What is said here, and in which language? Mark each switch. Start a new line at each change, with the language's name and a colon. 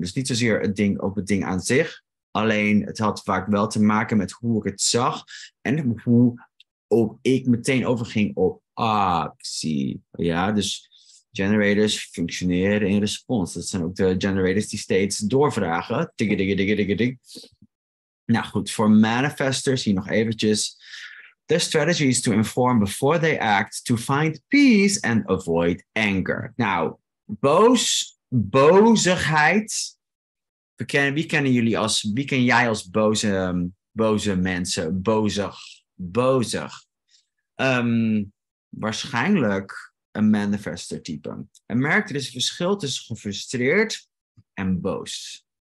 Dutch: Dus niet zozeer het ding op het ding aan zich. Alleen het had vaak wel te maken met hoe ik het zag en hoe ook ik meteen overging op actie. Ja, dus generators functioneren in respons. Dat zijn ook de generators die steeds doorvragen. Digga, digga, digga, digga, digga. Nou goed, voor manifestors hier nog eventjes.
English: The strategy is to inform before they act, to find peace and avoid anger.
Dutch: Nou, bozigheid. Wie ken jij als boze mensen? Bozig. Waarschijnlijk een manifester type. En merk, er is een verschil tussen gefrustreerd en boos.